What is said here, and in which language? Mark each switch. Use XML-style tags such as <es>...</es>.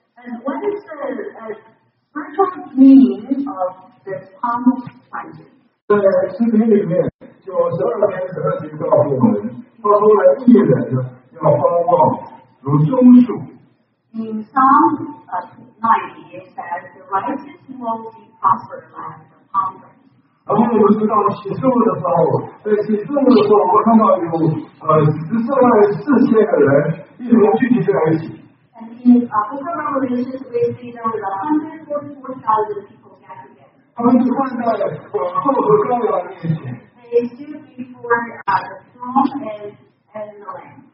<en>And what is the spiritual meaning of the palm branches? In the Bible.</en> <zh>九十二篇十二节告诉我们，他说了，义人要发旺如棕树。</zh> <en>In Psalm 90, it says the righteous will be prosperous as a palm branch.</en> <zh>然后我们知道，启示录的时候，在启示录的时候，我看到有144,000人一同聚集在一起。</zh> <en>And in the book of Revelation, we see there were 144,000 people gathered together.</en> <zh>他们聚集在广阔和高阳面前。</zh> <en>They stood before the throne and the Lamb.</en>